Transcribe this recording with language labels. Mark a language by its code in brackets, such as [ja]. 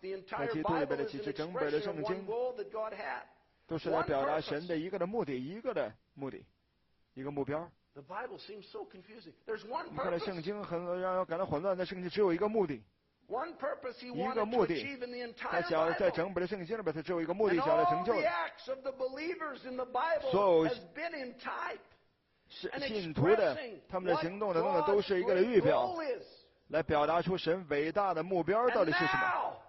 [zh] 在基督里边的启示，整本的圣经都是来表达神的一个的目的，一个的目的。一个目标。 [en] The Bible seems so confusing. There's one purpose. [zh] 你看，圣经很让人感到混乱。那圣经只有一个目的。 [en] One purpose he wanted to achieve in the entire Bible. [zh] 他想要在整本的圣经里边，他只有一个目的，想要成就的。 [en] And all the acts of the believers in the Bible has been in type. [zh] 信徒的他们的行动的那个都是一个的预表，来表达出神伟大的目标到底是什么。